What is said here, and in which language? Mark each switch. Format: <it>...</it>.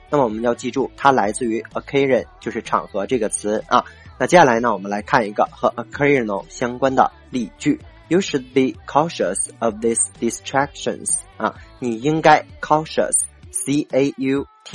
<zh>那么我们要记住它来自于 occasion， 就是场合这个词啊。那接下来呢，我们来看一个和 occasional 相关的例句。</zh> <en>You should be cautious of these distractions.</en> <zh>啊，你应该 cautious, C-A-U-T-I-O-U-S.</zh>